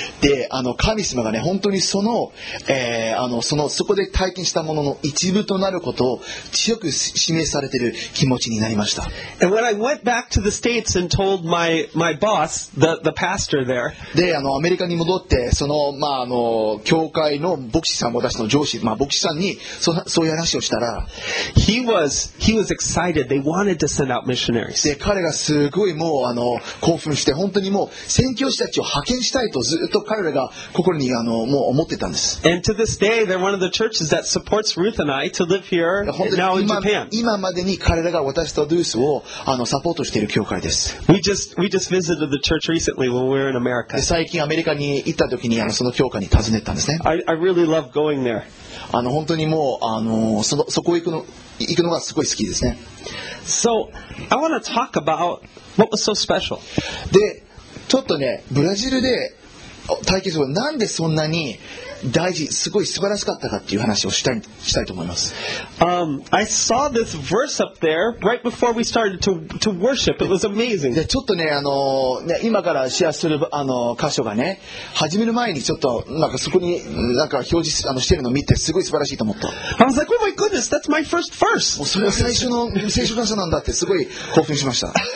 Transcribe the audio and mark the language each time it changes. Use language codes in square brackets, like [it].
[ja] で、神様がね、本当にその、そこで体験したものの一部となることを強く示されている気持ちになりました。 [en] And when I went back to the States and told my boss, the pastor there, [ja] で、アメリカに戻って、その、まあ、教会の牧師さん、私の上司、まあ、牧師さんに、そういう話をしたら、 [en] He was excited. They wanted to send out missionaries. [ja] で、彼がすごいもう、興奮して、本当にもう、教師たちを派遣したいとずっと彼らが心にもう思ってたんです。 [en] And to this day, they're one of the churches that supports Ruth and I to live here now in Japan. [ja] 今までに彼らが私とルースをサポートしている教会です。 [en] We just visited the church recently when we were in America. [ja] 最近アメリカに行った時にその教会に訪ねたんですね。 [en] I really love going there. [ja] 本当にもうそこ行くのがすごい好きですね。 [en] So I want to talk about what was so special. [ja] でちょっとね、ブラジルで体験する、なんでそんなに大事、すごい素晴らしかったかっていう話をしたいと思います。 [en] I saw this verse up there right before we started to worship. It was amazing. [ja] ちょっとね、今からシェアする箇所がね、始める前にちょっとなんかそこになんか表示してるのを見て、すごい素晴らしいと思った。 [en] I was like, oh my goodness, that's my first verse. [ja] もうそれは最初の聖書箇所なんだってすごい興奮しました。